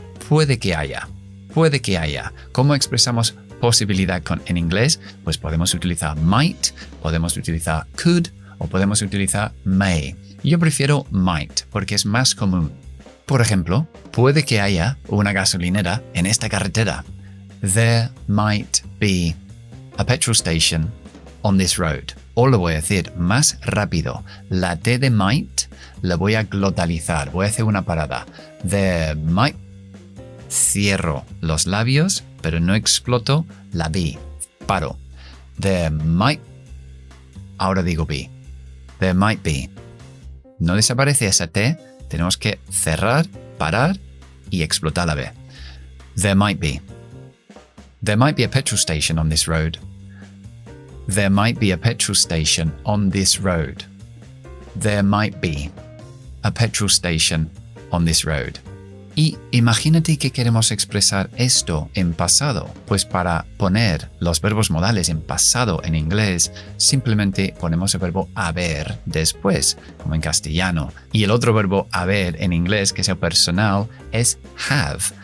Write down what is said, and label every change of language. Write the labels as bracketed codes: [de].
[es] Puede que haya. Puede que haya. ¿Cómo expresamos posibilidad en inglés? Pues podemos utilizar might, podemos utilizar could o podemos utilizar may. Yo prefiero might porque es más común. Por ejemplo, puede que haya una gasolinera en esta carretera. [en] There might be a petrol station on this road. [es] O lo voy a decir más rápido. La T de might la voy a glotalizar. Voy a hacer una parada. [en] There might. [es] Cierro los labios, pero no exploto la B. Paro. [en] There might. [es] Ahora digo B. [en] There might be. [es] No desaparece esa T. Tenemos que cerrar, parar y explotar la B. [en] There might be. There might be a petrol station on this road. There might be a petrol station on this road. There might be a petrol station on this road. [es] Y imagínate que queremos expresar esto en pasado. Pues para poner los verbos modales en pasado en inglés, simplemente ponemos el verbo haber después, como en castellano. Y el otro verbo haber en inglés, que es el personal, es have.